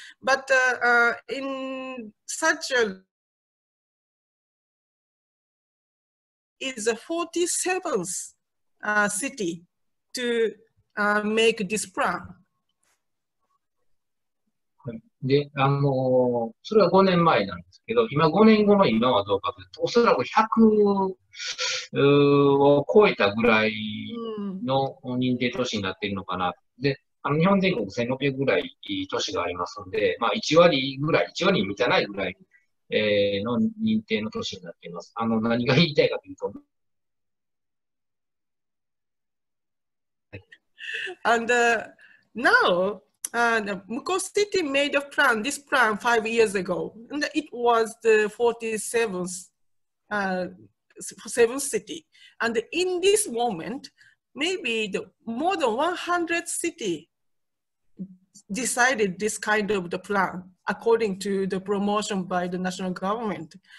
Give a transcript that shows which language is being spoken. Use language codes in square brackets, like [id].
[en] But in such a is a 47th city to make this plan. [ja] で、それは5年前なんですけど、今5年後の今はどうかというと、おそらく100を超えたぐらいの認定都市になっているのかな。で、日本全国1600ぐらい都市がありますので、まあ1割ぐらい、1割に満たないぐらいの認定の都市になっています。何が言いたいかというと、 [en] And now,Mukou City made a plan, this plan 5 years ago, and it was the 47th city. And in this moment, maybe the more than 100 cities decided this kind of the plan, according to the promotion by the national government.